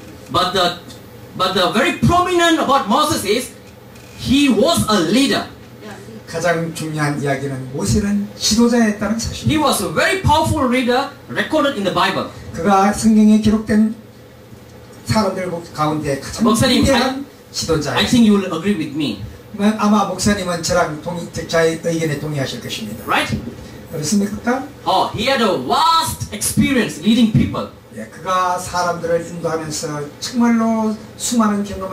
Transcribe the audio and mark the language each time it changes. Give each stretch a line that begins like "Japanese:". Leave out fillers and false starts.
English: But the very prominent about Moses is, he was a leader.
Korean: 가장 중요한 이야기는 모세는 지도자였다는 사실.
English: He was a very powerful leader recorded in the Bible.
Korean: 그가 성경에 기록된 사람들 가운데 가장 목사님, 중요한 지도자.
English: I think you will agree with me.
Korean: 아마 목사님은 저랑 동의, 저의 의견에 동의하실 것입니다.
English: Right?
Korean: 그렇습니까?
English: Oh, he had a vast experience leading people.
Korean: 예, 그가 사람들을 인도하면서 정말로 수많은 경험을